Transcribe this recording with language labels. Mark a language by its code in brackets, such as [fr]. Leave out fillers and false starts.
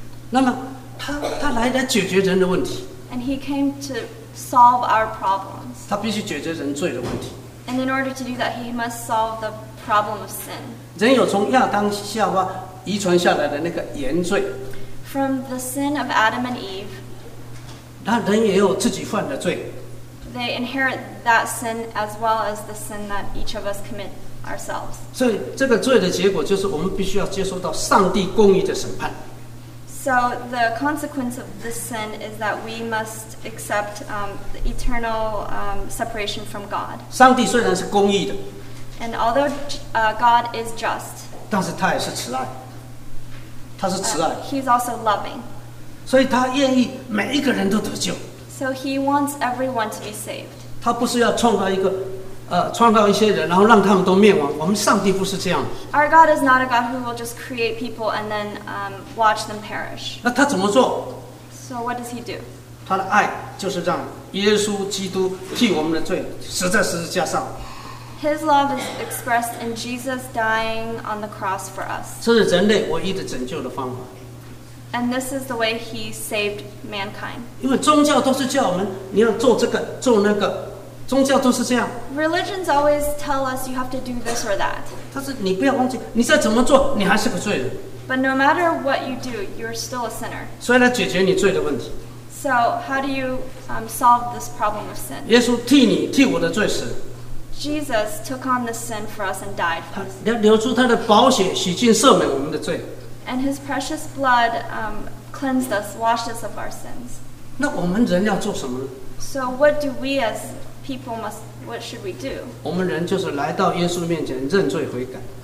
[zh] 那么他来解决人的问题。 [en] And he came to solve our problems. [zh] 他必须解决人罪的问题。 [en] And in order to do that, he must solve the problem of sin. [zh] 人有从亚当夏娃遗传下来的那个原罪。 [en] From the sin of Adam and Eve. [zh] 那人也有自己犯的罪。 [en] They inherit that sin as well as the sin that each of us commit ourselves. [zh] 所以这个罪的结果就是我们必须要接受到上帝公义的审判。 [en] So the consequence of this sin is that we must accept the eternal separation from God. [zh] 上帝虽然是公义的。 [en] And although God is just, [zh] 但是他也是慈爱，他是慈爱。 [en] He's also loving. [zh] 所以他愿意每一个人都得救。 [en] So he wants everyone to be saved. [zh] 他不是要创造一个创造一些人，然后让他们都灭亡。我们上帝不是这样。 [en] Our God is not a God who will just create people and then watch them perish. [zh] 那他怎么做 [en] ？So what does he do? [zh] 他的爱就是让耶稣基督替我们的罪死在十字架上。 [en] His love is expressed in Jesus dying on the cross for us. [zh] 这是人类唯一的拯救的方法。 [en] And this is the way he saved mankind. [zh] 因为宗教都是叫我们你要做这个做那个。宗教都是这样。 [en] Religions always tell us you have to do this or that. [zh] 但是你不要忘记，你再怎么做，你还是个罪人。 [en] But no matter what you do, you're still a sinner. [zh] 所以来解决你罪的问题。 [en] So how do you solve this problem of sin? [zh] 耶稣替你替我的罪死。 [en] Jesus took on the sin for us and died for us. [zh] 流出他的宝血，洗净赦免我们的罪。 [en] And his precious blood cleansed us, washed us of our sins. [zh] 那我们人要做什么呢 [en] ？So what do we as people must, what should we do? [zh] 我们人就是来到耶稣面前认罪悔改。